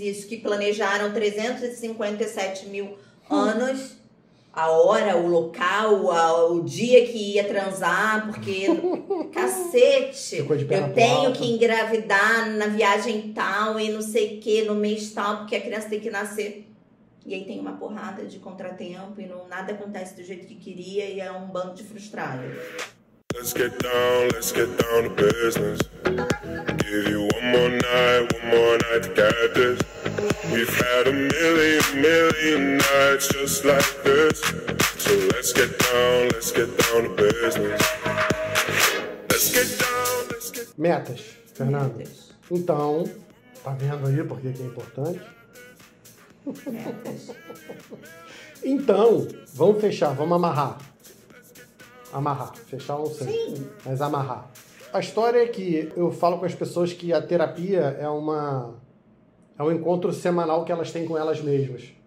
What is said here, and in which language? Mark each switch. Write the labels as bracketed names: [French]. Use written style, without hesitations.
[Portuguese] Isso, que planejaram 357 mil anos, a hora, o local, o dia que ia transar, porque... Cacete! Ficou de perna. Eu tenho que engravidar na viagem tal e não sei o que, no mês tal, porque a criança tem que nascer. E aí tem uma porrada de contratempo e não, nada acontece do jeito que queria e é um bando de frustrados. [English] Let's get down to business. Give you one more night to get this. We've had a million, million nights just like this. So let's get down to business. Let's get down, let's get... [Portuguese] Metas, Fernando. Metas. Então, tá vendo aí por que é importante? Então, vamos fechar, vamos amarrar. Amarrar, fechar um centro. Sim. Mas amarrar. A história é que eu falo com as pessoas que a terapia é um encontro semanal que elas têm com elas mesmas.